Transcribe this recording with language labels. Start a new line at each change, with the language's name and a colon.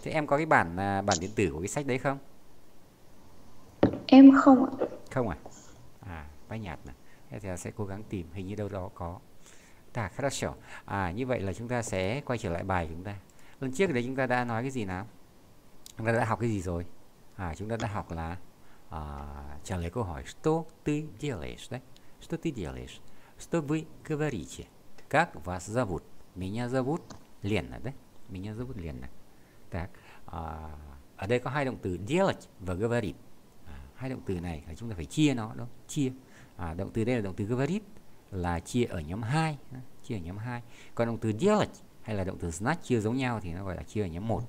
Vietnamese: Thế em có cái bản bản điện tử của cái sách đấy không? Em không ạ. Không à? Phải nhạt này. Thế thì sẽ cố gắng tìm, hình như đâu đó có.
Russian: Tạc хорошо.
Vietnamese: Như vậy là chúng ta sẽ quay trở lại bài chúng ta. Lần trước đấy chúng ta đã nói cái gì nào? Chúng ta đã học cái gì rồi? Chúng ta đã học là trả lời câu hỏi
Russian: что ты делаешь
Vietnamese: đấy, что ты делаешь,
Russian: что вы говорите, как вас зовут, меня зовут Лена
Vietnamese: đấy, меня зовут Лена. Так, ở đây có hai động từ делать và говорить. Hai động từ này là chúng ta phải chia nó, đúng không? Chia. Động từ đây là động từ говорить là chia ở nhóm 2, chia ở nhóm 2. Còn động từ делать hay là động từ snatch chia giống nhau thì nó gọi là chia ở nhóm 1.